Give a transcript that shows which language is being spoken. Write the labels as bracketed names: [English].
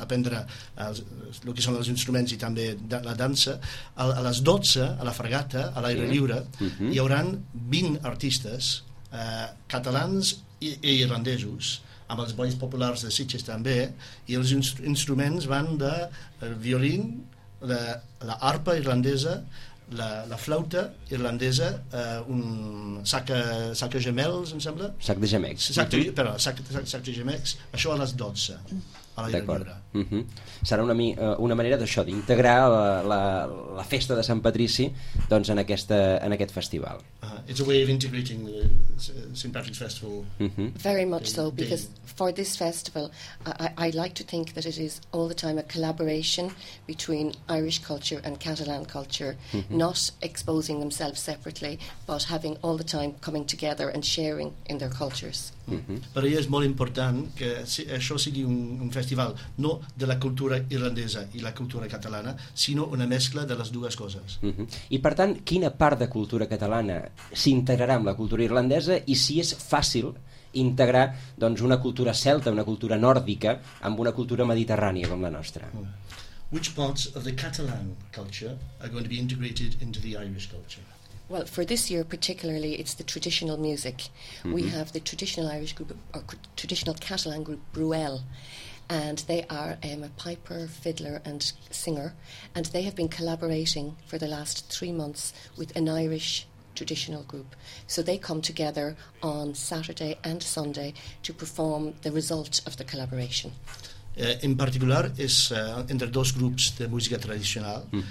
[Catalan] aprendre el que són els instruments i també la dansa, a les 12, a la Fregata, a l'aire lliure, mm-hmm. hi hauran 20 artistes catalans i irlandesos, amb els balls populars de Sitges també, i els instruments van de violí, la arpa irlandesa, la flauta irlandesa, un sac de gemels, em sembla? Sac de gemecs. Sac de gemecs, això a les 12, a l'aire lliure. Mm-hmm. Serà una manera d'això, d'integrar la festa de Sant Patrici doncs, en aquest festival. [English] It's a way of integrating the St. Patrick's Festival. Mm-hmm. Very much so, because for this festival, I like to think that it is all the time a collaboration between Irish culture and Catalan culture, mm-hmm. not exposing themselves separately, but having all the time coming together and sharing in their cultures. Mm-hmm. [Catalan] Per ell és molt important que això sigui un festival, no de la cultura irlandesa i la cultura catalana, sinó una mescla de les dues coses. Mm-hmm. I per tant, quina part de cultura catalana s'integrarà amb la cultura irlandesa i si és fàcil integrar doncs, una cultura celta, una cultura nòrdica amb una cultura mediterrània com la nostra. [English] Which parts of the Catalan culture are going to be integrated into the Irish culture? Well, for this year particularly, it's the traditional music. Mm-hmm. We have the traditional Irish group, or traditional Catalan group, Bruel, and they are a piper, fiddler and singer, and they have been collaborating for the last 3 months with an Irish traditional group. So they come together on Saturday and Sunday to perform the result of the collaboration. [Catalan] En particular és entre dos grups de música tradicional.